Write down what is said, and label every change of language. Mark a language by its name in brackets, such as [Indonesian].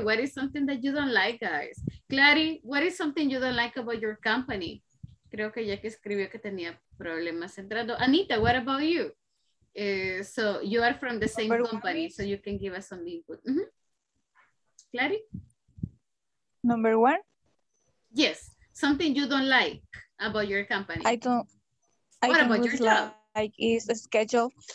[English] What is something that you don't like, guys? Clary, what is something you don't like about your company? [Spanish] Creo que Jackie escribió que tenía problemas entrando. [English] Anita, what about you? So, you are from the same company, so you can give us some input. Mm-hmm. Clary? Number one? Yes. Something you don't like about your company. I don't. What about your job? Like, it's a schedule.